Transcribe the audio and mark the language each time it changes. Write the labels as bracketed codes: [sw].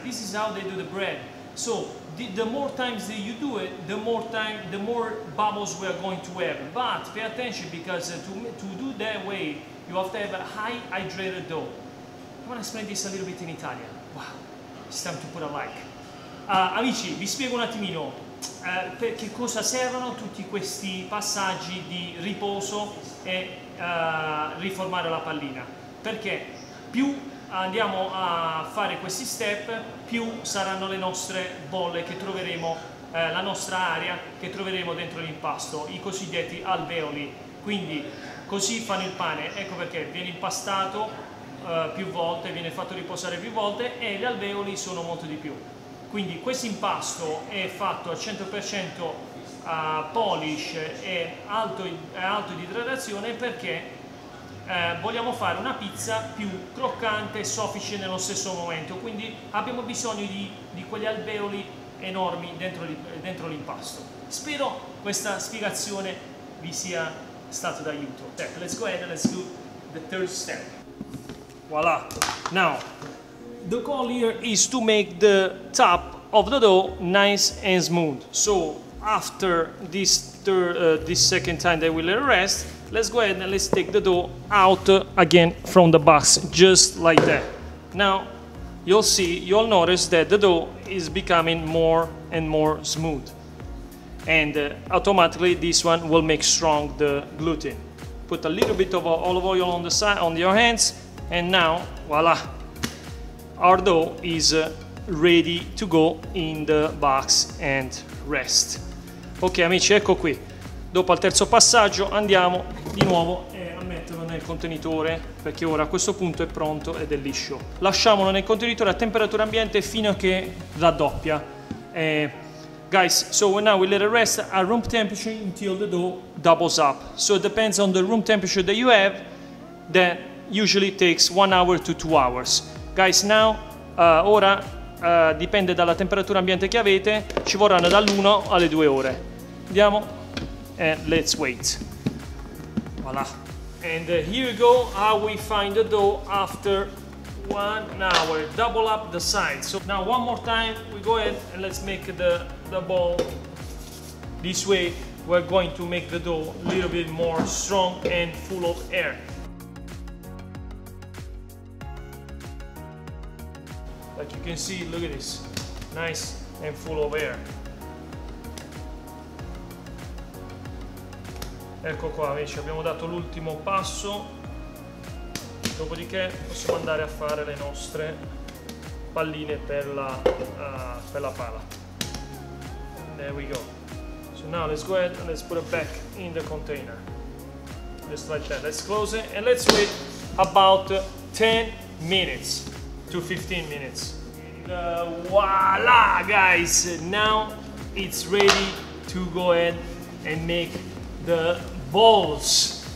[en] This is how they do the bread. So the more times that you do it, the more bubbles we are going to have. But pay attention, because to do that way, you have to have a high hydrated dough. I want to explain this a little bit in Italian. Wow, it's time to put a like. [it] Amici, vi spiego un attimino per che cosa servono tutti questi passaggi di riposo e riformare la pallina. Perché più andiamo a fare questi step, più saranno le nostre bolle che troveremo, la nostra aria che troveremo dentro l'impasto, i cosiddetti alveoli. Quindi così fanno il pane, ecco perché viene impastato più volte, viene fatto riposare più volte e gli alveoli sono molto di più. Quindi questo impasto è fatto al 100% polish e alto di idratazione perché vogliamo fare una pizza più croccante e soffice nello stesso momento, quindi abbiamo bisogno di quegli alveoli enormi dentro l'impasto. Spero questa spiegazione vi sia stato d'aiuto. [en] Okay, let's go ahead and let's do the third step. Voilà. Now, the goal here is to make the top of the dough nice and smooth. So, after this this second time that we let it rest, let's go ahead and let's take the dough out again from the box, just like that. Now, you'll notice that the dough is becoming more and more smooth. And automatically this one will make strong the gluten. Put a little bit of olive oil on the side, on your hands, and now, voila, our dough is ready to go in the box and rest. [it] Ok amici, ecco qui. Dopo al terzo passaggio andiamo di nuovo a metterlo nel contenitore, perché ora a questo punto è pronto ed è liscio. Lasciamolo nel contenitore a temperatura ambiente fino a che raddoppia. [en] Guys, so now we let it rest at room temperature until the dough doubles up. So it depends on the room temperature that you have, that usually takes 1 hour to 2 hours. Guys, now, [it] dipende dalla temperatura ambiente che avete, ci vorranno dall'1 alle 2 ore. [en] Andiamo and let's wait. Voilà. And here we go, how we find the dough after 1 hour. Double up the size. So now one more time, we go ahead and let's make the ball. This way, we're going to make the dough a little bit more strong and full of air. Like you can see, look at this. Nice and full of air. [it] Ecco qua amici, abbiamo dato l'ultimo passo, dopodiché possiamo andare a fare le nostre palline per la pala. [en] There we go. So now let's go ahead and let's put it back in the container. Just like that. Let's close it and let's wait about 10 minutes to 15 minutes. And, voilà guys, now it's ready to go ahead and make the balls.